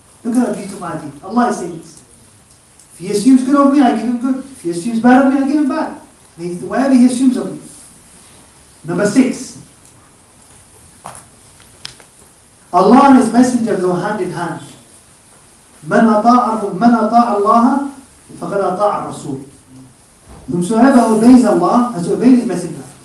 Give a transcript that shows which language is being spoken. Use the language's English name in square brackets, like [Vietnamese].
[English] Look at that beautiful hadith. Allah is saying this. If he assumes good of me, I give him good. If he assumes bad of me, I give him bad. Whatever he assumes of me. Number six. Allah and His Messenger go hand in hand. [Arabic] مَنْ أَطَاعَ اللَّهَ فَقَدْ أَطَاعَ الرَّسُولِ. [English] Whomsoever obeys Allah has obeyed His Messenger.